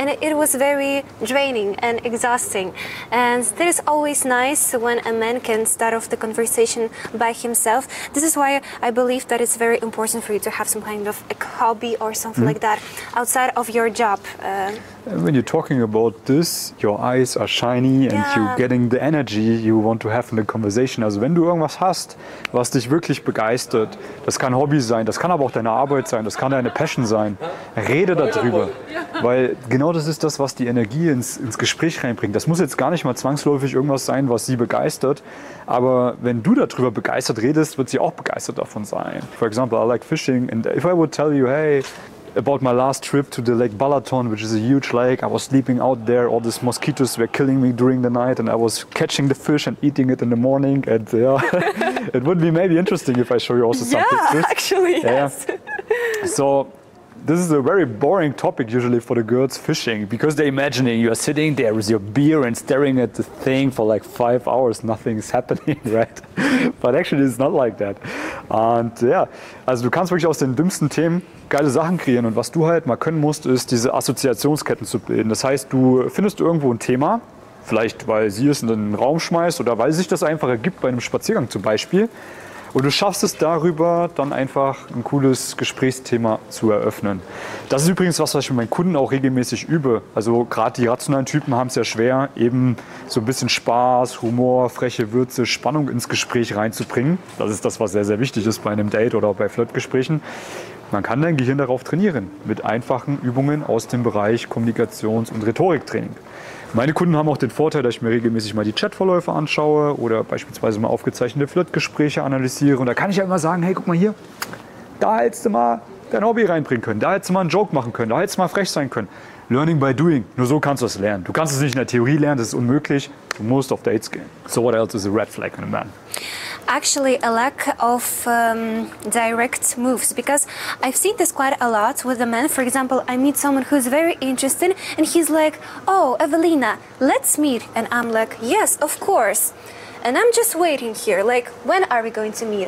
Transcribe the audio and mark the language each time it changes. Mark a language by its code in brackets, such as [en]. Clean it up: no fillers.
[en] And it was very draining and exhausting. And that is always nice when a man can start off the conversation by himself. This is why I believe that it's very important for you to have some kind of a hobby or something mm-hmm. like that outside of your job. When you're talking about this, your eyes are shiny and you're getting the energy you want to have in the conversation. [de] Also wenn du irgendwas hast, was dich wirklich begeistert, das kann Hobby sein, das kann aber auch deine Arbeit sein, das kann deine Passion sein, rede darüber. Weil genau das ist das, was die Energie ins Gespräch reinbringt. Das muss jetzt gar nicht mal zwangsläufig irgendwas sein, was sie begeistert. Aber wenn du darüber begeistert redest, wird sie auch begeistert davon sein. [en] For example, I like fishing and if I would tell you, hey, about my last trip to the Lake Balaton, which is a huge lake. I was sleeping out there. All these mosquitoes were killing me during the night and I was catching the fish and eating it in the morning. And it would be maybe interesting if I show you also some pictures. Yeah, actually, yes. Yeah. So this is a very boring topic usually for the girls fishing because they're imagining you're sitting there with your beer and staring at the thing for like 5 hours. Nothing's happening, right? But actually it's not like that. [de] And yeah, also du kannst wirklich aus den dümmsten Themen geile Sachen kreieren und was du halt mal können musst, ist diese Assoziationsketten zu bilden. Das heißt, du findest irgendwo ein Thema, Vielleicht, weil sie es in den Raum schmeißt oder weil sich das einfach ergibt bei einem Spaziergang zum Beispiel. Und du schaffst es darüber, dann einfach ein cooles Gesprächsthema zu eröffnen. Das ist übrigens was ich mit meinen Kunden auch regelmäßig übe. Also gerade die rationalen Typen haben es ja schwer, eben so ein bisschen Spaß, Humor, freche Würze, Spannung ins Gespräch reinzubringen. Das ist das, was sehr, sehr wichtig ist bei einem Date oder bei Flirtgesprächen. Man kann dein Gehirn darauf trainieren, mit einfachen Übungen aus dem Bereich Kommunikations- und Rhetoriktraining. Meine Kunden haben auch den Vorteil, dass ich mir regelmäßig mal die Chatverläufe anschaue oder beispielsweise mal aufgezeichnete Flirtgespräche analysiere. Und da kann ich ja immer sagen, hey, guck mal hier, da hättest du mal dein Hobby reinbringen können, da hättest du mal einen Joke machen können, da hättest du mal frech sein können. [en] Learning by doing. [de] Nur so kannst du es lernen. Du kannst es nicht in der Theorie lernen, das ist unmöglich. Du musst auf Dates gehen. [en] So what else is a red flag in a man? Actually, a lack of direct moves, because I've seen this quite a lot with the men. For example, I meet someone who's very interesting and he's like, oh, Evelina, let's meet. And I'm like, yes, of course. And I'm just waiting here, like, when are we going to meet?